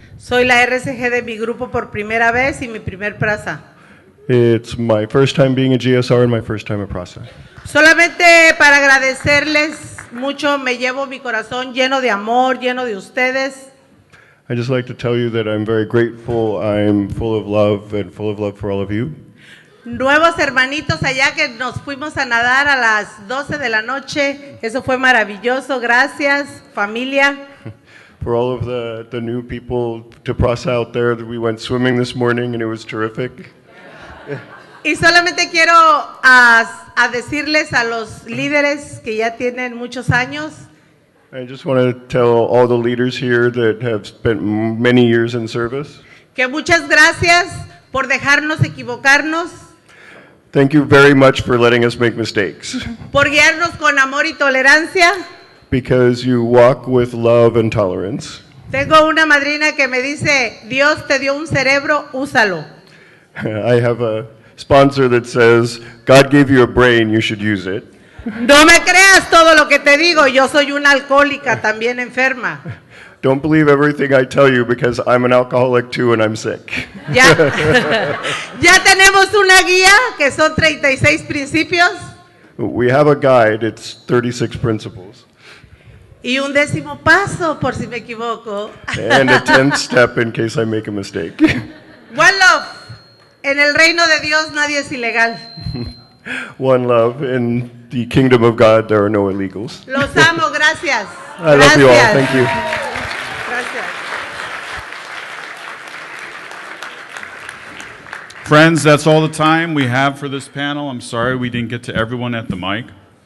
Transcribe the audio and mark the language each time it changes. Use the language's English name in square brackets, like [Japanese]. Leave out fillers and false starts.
[Spanish] Soy la RCG de mi grupo por primera vez y mi primer PRASA. [English] It's my first time being a GSR and my first time a PRASA. [Spanish] Solamente para agradecerles mucho, me llevo mi corazón lleno de amor, lleno de ustedes. [English] I just like to tell you that I'm very grateful. I'm full of love and full of love for all of you. [Spanish] Nuevos hermanitos allá que nos fuimos a nadar a las 12 de la noche. Eso fue maravilloso. Gracias, familia. [English] For all of the new people to process out there, we went swimming this morning and it was terrific. [Spanish] Y solamente quiero a decirles a los líderes que ya tienen muchos años. [English] I just want to tell all the leaders here that have spent many years in service. [Spanish] Que muchas gracias por dejarnos equivocarnos. [English] Thank you very much for letting us make mistakes. [Spanish] Por guiarnos con amor y tolerancia. [English] Because you walk with love and tolerance. [Spanish] Tengo una madrina que me dice, Dios te dio un cerebro, úsalo. [English] I have a sponsor that says, God gave you a brain, you should use it. [Spanish] No me creas todo lo que te digo, yo soy una alcohólica también enferma. [English] Don't believe everything I tell you because I'm an alcoholic too and I'm sick. [Spanish] Ya. Ya tenemos una guía que son 36 principios. [English] We have a guide, it's 36 principles. [Spanish] Y un décimo paso por si me equivoco. [English] And a 10th step in case I make a mistake. One love. [Spanish] En el reino de Dios nadie es ilegal. [English] One love in the kingdom of God, there are no illegals. [Spanish] Los amo, gracias. [English] I love you all. Thank you. Friends, that's all the time we have for this panel. I'm sorry we didn't get to everyone at the mic.